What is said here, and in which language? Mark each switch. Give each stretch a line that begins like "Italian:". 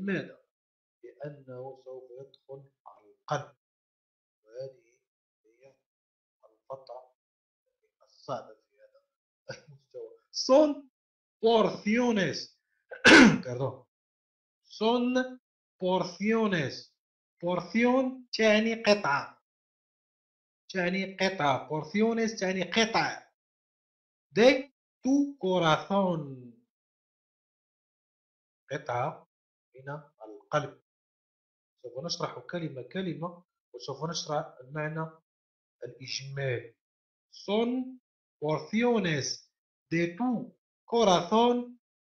Arabic: لماذا؟ لأنه سوف يدخل حلقا، وهذه هي الفترة الصعبة في هذا المستوى.
Spanish: son porciones perdón son porciones porción
Arabic: تعني قطعة، تعني قطعة porciones تعني قطعة
Spanish: de tu corazón
Arabic: قطعة من القلب. سوف نشرح كلمة كلمة وسوف نشرح المعنى الإجمالي.
Spanish: son porciones de tu corazón.